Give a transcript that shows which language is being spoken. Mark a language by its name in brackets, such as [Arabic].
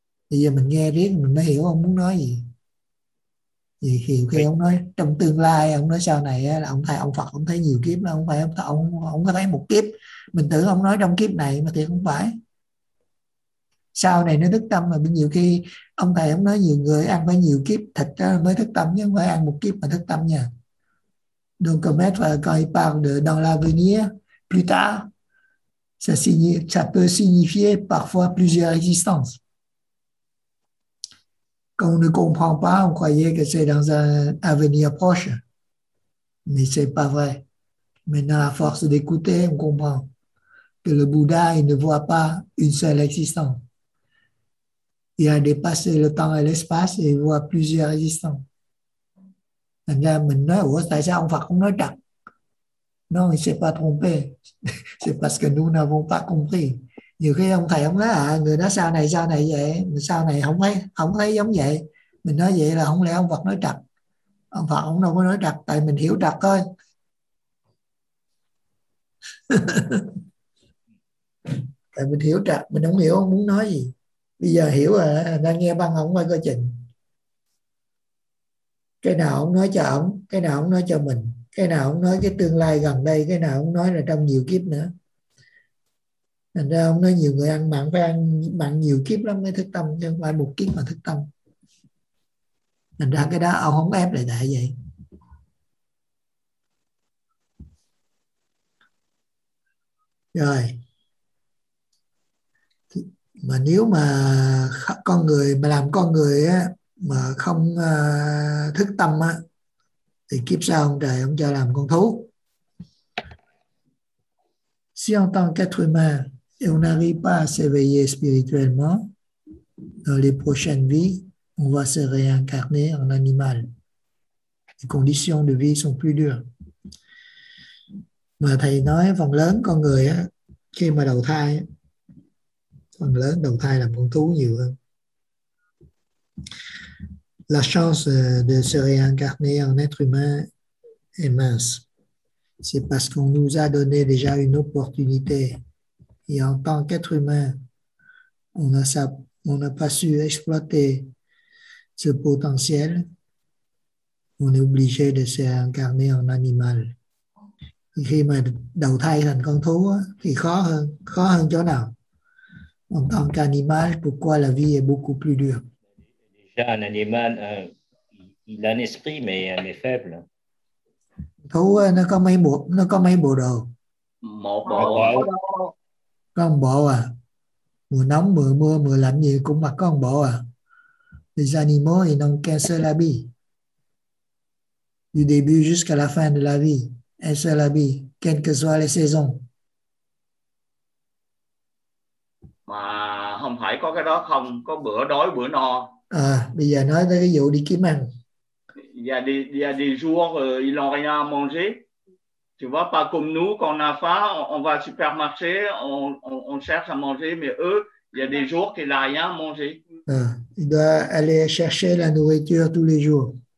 [Vietnamese] Bây giờ mình nghe riết mình mới hiểu ông muốn nói gì. Vì khi ông nói trong tương lai, ông nói sau này là ông thầy ông Phật ông thấy nhiều kiếp đâu, không phải ông có thấy một kiếp. Mình tưởng ông nói trong kiếp này mà thì không phải. Sau này nó thức tâm, mà nhiều khi ông thầy ông nói nhiều người ăn phải nhiều kiếp thịt mới thức tâm, chứ không phải ăn một kiếp mà thức tâm nha. [French] Donc mettre quand il parle de dans l'avenir plus tard, ça peut signifier parfois plusieurs existences. Quand on ne comprend pas, on croyait que c'est dans un avenir proche. Mais ce n'est pas vrai. Maintenant, à force d'écouter, on comprend que le Bouddha, il ne voit pas une seule existence. Il a dépassé le temps et l'espace et il voit plusieurs existences. [Vietnamese] Thành ra mình nói, ủa tại sao ông Phật không nói trật? [French] Non, il s'est pas trompé. C'est parce que nous n'avons pas compris. [Vietnamese] Nhiều khi ông thầy ông nói à, người nói sao này vậy, sao này không thấy giống vậy. Mình nói vậy là không lẽ ông Phật nói trật. Ông Phật ông đâu có nói trật, tại mình hiểu trật thôi. Tại mình hiểu trật, mình không hiểu ông muốn nói gì. Bây giờ hiểu rồi, đang nghe băng ông quay coi chừng. Cái nào ông nói cho ông, cái nào ông nói cho mình, cái nào ông nói cái tương lai gần đây, cái nào ông nói là trong nhiều kiếp nữa. Thành ra ông nói nhiều người ăn mặn phải ăn mặn nhiều kiếp lắm mới thức tâm, chứ không phải một kiếp mà thức tâm. Thành ra cái đó ông không ép lại đại vậy. Rồi. Mà nếu mà con người mà làm con người á, mà không thức tâm á, thì kiếp sau ông trời ông cho làm con thú. [French] Si en tant qu'être humain, et on n'arrive pas à s'éveiller spirituellement, dans les prochaines vies, on va se réincarner en animal. Les conditions de vie sont plus dures. [Vietnamese] Mà thầy nói phần lớn con người á, khi mà đầu thai, phần lớn đầu thai làm con thú nhiều hơn. [French] La chance de se réincarner en être humain est mince. C'est parce qu'on nous a donné déjà une opportunité. Et en tant qu'être humain, on n'a pas su exploiter ce potentiel. On est obligé de se réincarner en animal. [Vietnamese] Et khi mà đầu thai thành con thú thì khó hơn chỗ nào? [French] En tant qu'animal, pourquoi la vie est beaucoup plus dure? Un animal, il a un esprit, mais faible. [Vietnamese] Thú nó có mấy bộ, nó có mấy bộ đồ. Một bộ. Có một bộ à. Mùa nóng, mùa mưa, mùa lạnh gì cũng mặc có một bộ à. [French] Les animaux, ils n'ont qu'un seul habit. Du début jusqu'à la fin de la vie, un seul habit, quelles que soient les saisons. [Vietnamese] Mà không phải có cái đó không, có bữa đói, bữa no. À, bây giờ nói tới cái vụ đi kiếm ăn. [French] Il y a des jours, il n'a rien à manger. Tu vois, pas comme nous, quand on a faim, on va au supermarché, on cherche à manger, mais eux, il y a des jours qu'il n'a rien à manger. À, il doit aller chercher la nourriture tous les jours.